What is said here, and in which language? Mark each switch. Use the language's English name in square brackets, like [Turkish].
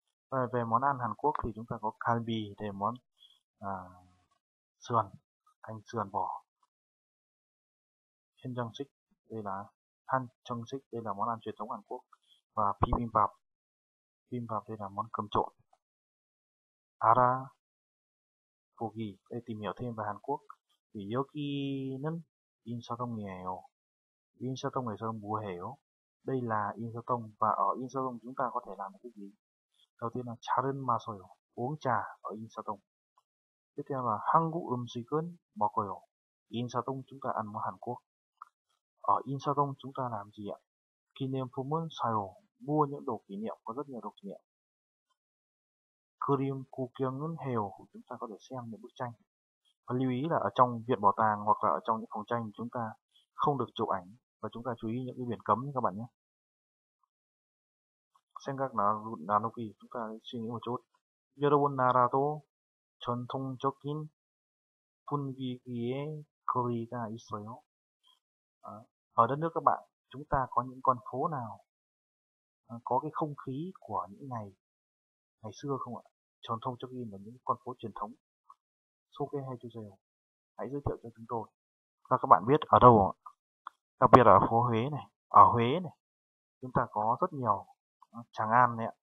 [Vietnamese] Về món ăn Hàn Quốc thì chúng ta có Kalbi để món sườn, canh sườn bò. Han Jeong Sik, đây là món ăn truyền thống Hàn Quốc. Và Bibimbap, đây là món cơm trộn. Ara Bogi, để tìm hiểu thêm về Hàn Quốc. [Korean] Thì 여기는 인사동이에요. 인사동에서 뭐해요? [Vietnamese] Đây là Insatong, và ở Insatong chúng ta có thể làm cái gì? Đầu tiên là [Korean] 차를 마셔요, [Vietnamese] uống trà ở Insatong. Tiếp theo là [Korean] 한국 음식은 먹어요, [Vietnamese] Insatong chúng ta ăn món Hàn Quốc. Ở Insatong chúng ta làm gì ạ? [Korean] 기념품은 사요, [Vietnamese] mua những đồ kỷ niệm, có rất nhiều đồ kỷ niệm. [Korean] 그림 구경은 해요, [Vietnamese] chúng ta có thể xem những bức tranh. Và lưu ý là ở trong viện bảo tàng hoặc là ở trong những phòng tranh chúng ta không được chụp ảnh, và chúng ta chú ý những cái biển cấm nhé các bạn nhé. Xem các Nanoki, chúng ta suy nghĩ một chút. [Korean] 여러분 나라도 전통적인 분위기의 거리가 있어요? [Vietnamese] Ở đất nước các bạn, chúng ta có những con phố nào có cái không khí của những ngày xưa không ạ? 전통적인 là những con phố truyền thống. Ok, hay chưa rồi? Hãy giới thiệu cho chúng tôi. Và các bạn biết ở đâu không ạ? Đặc biệt ở phố Huế này, ở Huế này, chúng ta có rất nhiều Tràng An này ạ.